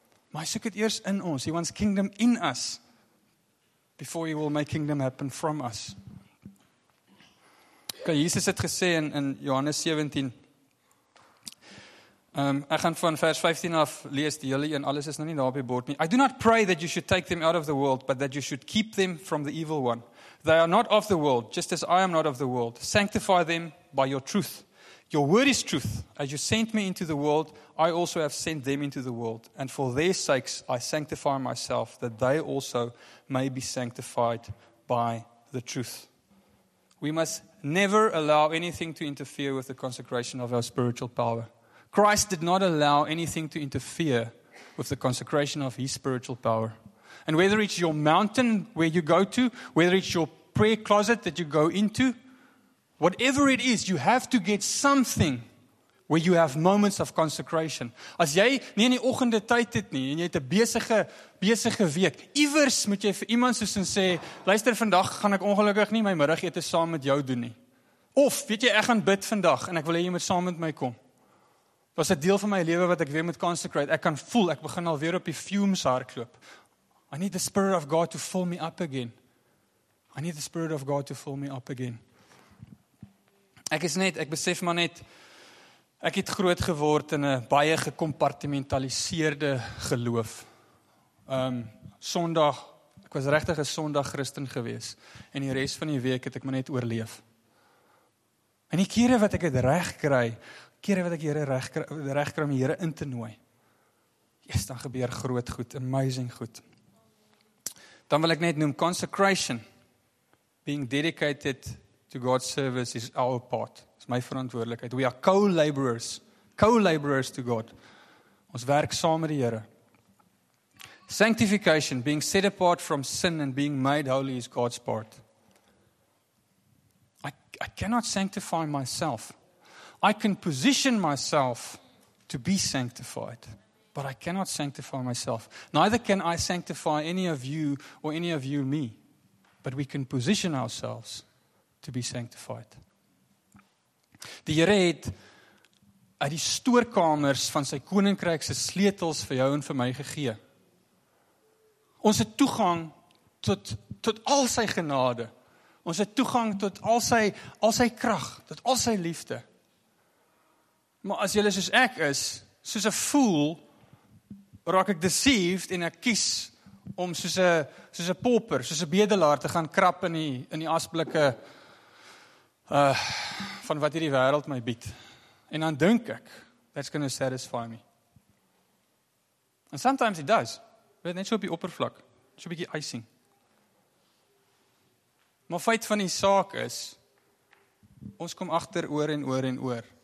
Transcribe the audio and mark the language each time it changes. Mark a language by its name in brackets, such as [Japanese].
[Afrikaans] Maar hy soek dit eers in ons. [English] He wants kingdom in us before he will make kingdom happen from us. [Afrikaans] Okay, Jesus het gesê in Johannes 17. Ek gaan van vers 15 af lees die hele een. Alles is nou nie daar op die bord nie. [English] I do not pray that you should take them out of the world, but that you should keep them from the evil one. They are not of the world, just as I am not of the world. Sanctify them by your truth. Your word is truth. As you sent me into the world, I also have sent them into the world. And for their sakes, I sanctify myself, that they also may be sanctified by the truth. We must never allow anything to interfere with the consecration of our spiritual power. Christ did not allow anything to interfere with the consecration of his spiritual power. And whether it's your mountain where you go to, whether it's your prayer closet that you go into, whatever it is, you have to get something where you have moments of consecration. [Afrikaans] As jy nie in die oggende tyd het nie en jy het 'n besige week, iewers moet jy vir iemand soos en sê, luister, vandag gaan ek ongelukkig nie my middagete saam met jou doen nie. Of weet jy, ek gaan bid vandag en ek wil hê jy moet saam met my kom. Was 'n deel van my lewe wat ek weer moet consecrate. Ek kan voel ek begin al weer op die fumes hardloop. [English] I need the spirit of God to fill me up again. I need the spirit of God to fill me up again. [Afrikaans] Ek besef maar net ek het groot geword in 'n baie gekompartimentaliseerde geloof. Sondag, ek was regtig 'n Sondag Christen gewees en die res van die week het ek maar net oorleef. En die kere wat ek het reg kry, kere wat ek Here reg kry om die Here in te nooi. Eers dan gebeur groot goed, amazing goed. Dan wil ek net noem consecration. [English] Being dedicated to God's service is our part. [Afrikaans] Is my verantwoordelikheid. [English] We are co-laborers. Co-laborers to God. [Afrikaans] Ons werk saam met die Here. [English] Sanctification, being set apart from sin and being made holy is God's part. I cannot sanctify myself. I can position myself to be sanctified, but I cannot sanctify myself. Neither can I sanctify any of you or any of you me, but we can position ourselves to be sanctified. [Afrikaans] Die Here het uit die stoorkamers van sy koninkryk se sleutels vir jou en vir my gegee. Ons het toegang tot al sy genade. Ons het toegang tot al sy krag, tot al sy liefde. Maar as jylle soos ek is, soos 'n fool, raak ek deceived en ek kies om soos 'n pauper, soos 'n bedelaar te gaan krap in die asblikke van wat hierdie wêreld my bied. En dan dink ek, [English] that's going to satisfy me. And sometimes it does. [Afrikaans] Weet net so op die oppervlak, so 'n bietjie icing. Maar feit van die saak is, ons kom agter oor en oor en oor.